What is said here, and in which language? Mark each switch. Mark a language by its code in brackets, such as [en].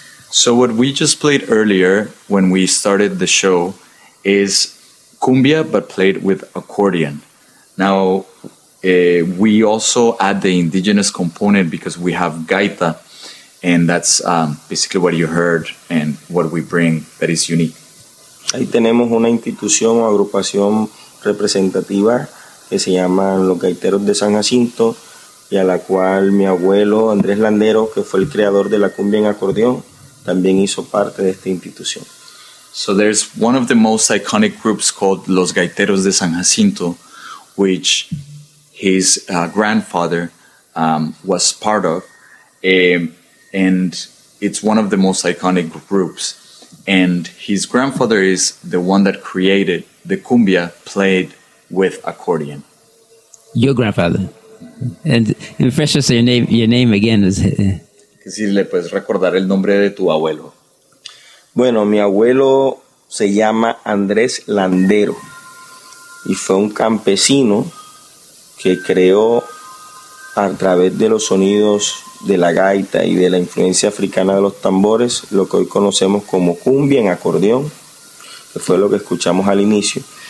[en] So what we just played earlier when we started the show is cumbia, but played with accordion. Now, we also add the indigenous component because we have gaita, and that's basically what you heard and what we bring that is unique. [es] Ahí tenemos una institución o agrupación representativa que se llama Los Gaiteros de San Jacinto, y a la cual mi abuelo Andrés Landero, que fue el creador de la cumbia en acordeón, también hizo parte de esta institución. [en] So there's one of the most iconic groups called Los Gaiteros de San Jacinto, which his grandfather was part of, and it's one of the most iconic groups. And his grandfather is the one that created the cumbia played with accordion. Your grandfather. And refresh us your name again. [es] Que si le puedes recordar el nombre de tu abuelo. Bueno, mi abuelo se llama Andrés Landero y fue un campesino que creó a través de los sonidos de la gaita y de la influencia africana de los tambores lo que hoy conocemos como cumbia en acordeón, que fue lo que escuchamos al inicio.